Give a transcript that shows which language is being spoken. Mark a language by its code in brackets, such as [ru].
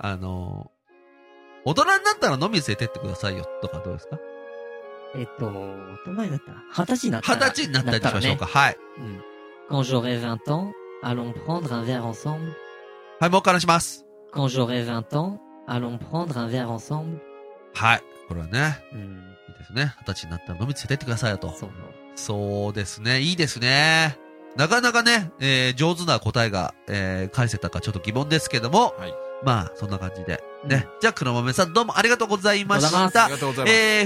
[ja] 大人になったら飲み連れてってくださいよ、とかどうですか？大人になったら、二十歳になったら。二十歳になったりしましょうか。ね、はい。 [fr] Quand j'aurai 20 ans, allons prendre un verre ensemble. [ja] はい、もう一回話します。 [fr] Quand j'aurai 20 ans, allons prendre un verre ensemble. [ja] はい。これはね。いいですね。二十歳になったら飲み連れてってくださいよ、と。そう。そうですね。いいですね。なかなかね、上手な答えが、返せたかちょっと疑問ですけども、はい、まあそんな感じでね、うん、じゃあ黒豆さんどうもありがとうございました。ありがとうございます。